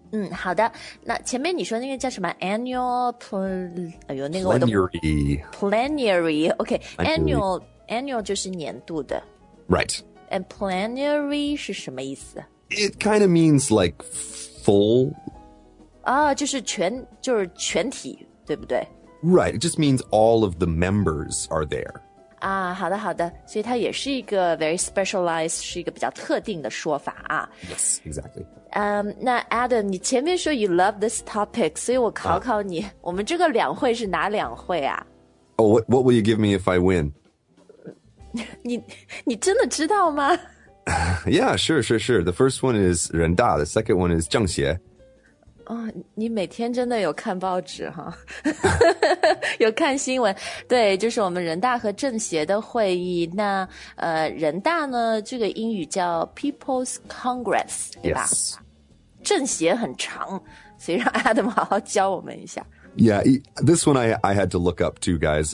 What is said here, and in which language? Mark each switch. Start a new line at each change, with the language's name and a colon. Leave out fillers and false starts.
Chinese: 好的，那前面你说那个叫什么 annual plenary okay annual 就是年度的
English: right
Chinese: and plenary 是什么意思
English: it kind of means like full
Chinese: 啊、就是全体对不对
English: right it just means all of the members are there
Chinese: 好的好的，所以它也是一个
English: very specialized
Chinese: 是一个比较特定的说法啊
English: yes exactly
Chinese: 那 Adam 你前面说
English: you love this topic
Chinese: 所以我考考你、我们这个两会是哪两会啊
English: oh what will you give me if I win
Chinese: 你真的知道吗
English: yeah sure the first one is 人大 the second one is 政协
Chinese: 你每天真的有看报纸哈，有看新闻。对，就是我们人大和政协的会议。那人大呢，这个英语叫 People's Congress， 对吧？
English: Yes.
Chinese: 政协很长，所以让 Adam 好好教我们一下。
English: Yeah, this one I had to look up too, guys.